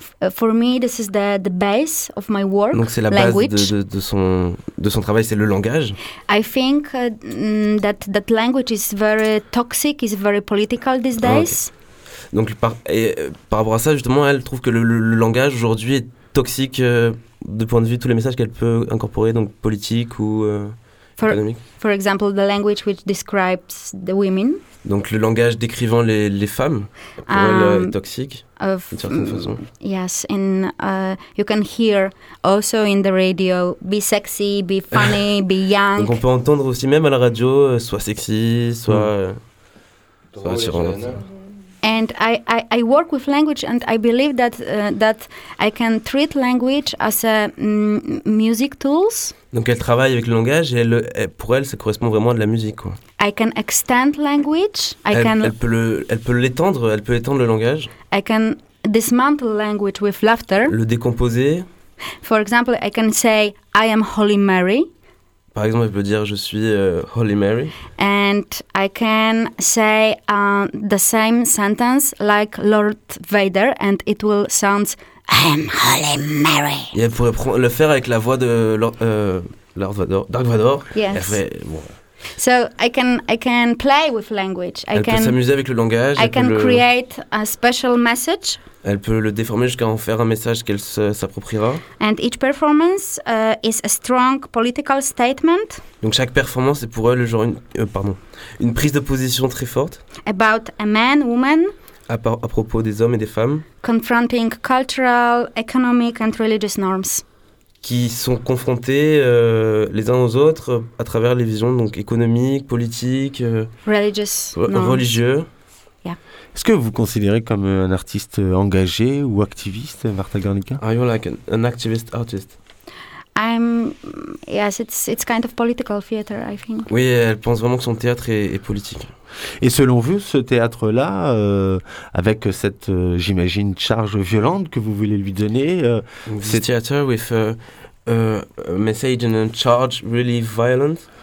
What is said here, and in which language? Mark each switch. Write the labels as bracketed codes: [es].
[en] For me, this is the base of my work. [fr] Donc c'est la [en] language. [fr] Base de son travail, c'est le langage. [en] I think that language is very toxic, is very political these days. Okay. [fr] Donc par rapport à ça, justement, elle trouve que le langage aujourd'hui est toxique de point de vue de tous les messages qu'elle peut incorporer, donc politique ou économique. [en] For example, the language which describes the women. [fr] Donc le langage décrivant les femmes pour elle est toxique. [en] Yes, and you can hear also in the radio, be sexy, be funny, be young. [fr] Donc on peut entendre aussi même à la radio, soit sexy, soit attirante. [en] And I work with language, and I believe that I can treat language as a music tools. [fr] Donc elle travaille avec le langage, et pour elle, ça correspond vraiment à de la musique, quoi. [en] I can extend language. [fr] Elle peut étendre le langage. [en] I can dismantle language with laughter. [fr] Le décomposer. [en] For example, I can say I am Holy Mary. [fr] Par exemple, elle peut dire je suis Holy Mary. [en] And I can say the same sentence like Lord Vader, and it will sound I am Holy Mary. [fr] Et elle pourrait le faire avec la voix de Lord Vader, Dark Vador. [en] Yes. [fr] Elle fait, bon. [en] So I can play with language. [fr] Elle peut s'amuser avec le langage. [en] Create a special message. [fr] Elle peut le déformer jusqu'à en faire un message qu'elle s'appropriera. [en] And each performance is a strong political statement. [fr] Donc chaque performance est pour elle genre une prise de position très forte. [en] About a man, woman. [fr] À propos des hommes et des femmes. [en] Confronting cultural, economic and religious norms. [fr] Qui sont confrontés les uns aux autres à travers les visions donc économiques, politiques, [en] religious, [fr] religieux. [en] Yeah. [fr] Est-ce que vous considérez comme un artiste engagé ou activiste, Martha Garnica? [en] Are you like an activist artist? Yes, it's kind of political theater, I think. [fr] Oui, elle pense vraiment que son théâtre est politique. Et selon vous, ce théâtre-là, avec cette, j'imagine, charge violente que vous voulez lui donner, ce théâtre [en] with a message and a charge really violent.